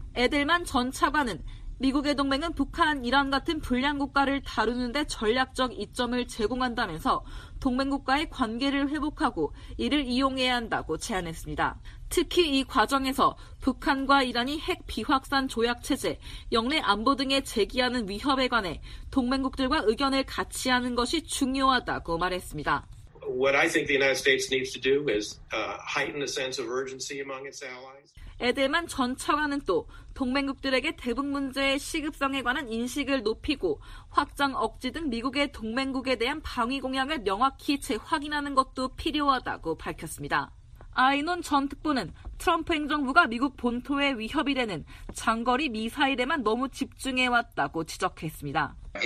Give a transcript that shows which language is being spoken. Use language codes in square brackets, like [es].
[ko] 에델만 전 차관은 미국의 동맹은 북한, 이란 같은 불량국가를 다루는 데 전략적 이점을 제공한다면서 동맹국과의 관계를 회복하고 이를 이용해야 한다고 제안했습니다. 특히 이 과정에서 북한과 이란이 핵 비확산 조약 체제, 영내 안보 등에 제기하는 위협에 관해 동맹국들과 의견을 같이 하는 것이 중요하다고 말했습니다. [en] What I think the United States needs to do is heighten the sense of urgency among its allies. [ko] 에델만 전 차관은 또 동맹국들에게 대북 문제의 시급성에 관한 인식을 높이고 확장 억지 등 미국의 동맹국에 대한 방위 공약을 명확히 재확인하는 것도 필요하다고 밝혔습니다. 아이논 전 특보는 트럼프 행정부가 미국 본토에 위협이 되는 장거리 미사일에만 너무 집중해왔다고 지적했습니다.